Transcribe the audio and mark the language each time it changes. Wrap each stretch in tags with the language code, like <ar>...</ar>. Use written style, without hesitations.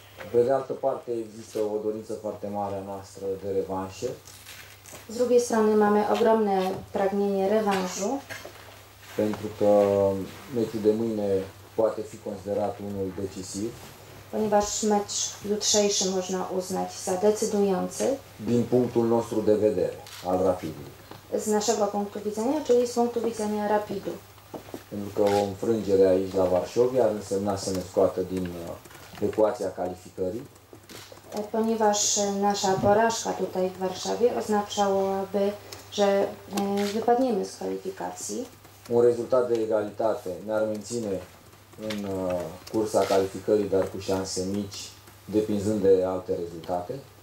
<ro>Pe de altă parte există o dorință foarte mare a noastră de revanșă.</ro> <pl>Z drugiej strony mamy ogromne pragnienie rewanżu.</pl> <ro>Pentru că meciul de mâine poate fi considerat unul decisiv.</ro> <pl>Ponieważ mecz jutrzejszy można uznać za decydujący.</pl> <ro>Din punctul nostru de vedere al Rapidului.</ro> <pl>Z naszego punktu widzenia, czyli z punktu widzenia Rapidu.</pl> <ro>Pentru că o înfrângere aici la Varșovia ar însemna să ne scoată din</ro> <pl>ekuacja kwalifikacji. Ponieważ nasza porażka tutaj w Warszawie oznaczałaby, że wypadniemy z kwalifikacji.</pl> <ro>Un rezultat de egalitate ne-ar menține în cursa calificării, dar cu șanse mici, depinzând de alte rezultate.</ro>